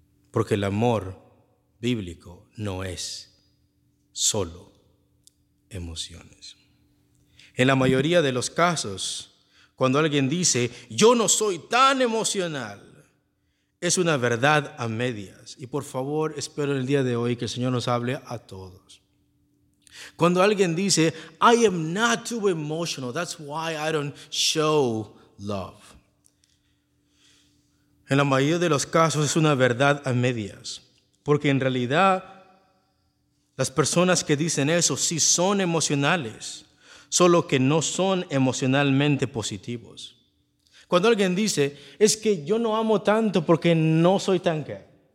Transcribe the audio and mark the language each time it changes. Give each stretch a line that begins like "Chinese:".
Spanish: Porque el amor bíblico no es solo emociones. En la mayoría de los casos, cuando alguien dice, yo no soy tan emocional, es una verdad a medias. Y por favor, espero el día de hoy que el Señor nos hable a todos. Cuando alguien dice,
English: I am not too emotional, that's why I don't show love.
Spanish: En la mayoría de los casos es una verdad a medias. Porque en realidad, las personas que dicen eso sí son emocionales, solo que no son emocionalmente positivos. Cuando alguien dice, es que yo no amo tanto porque no soy tan ¿qué?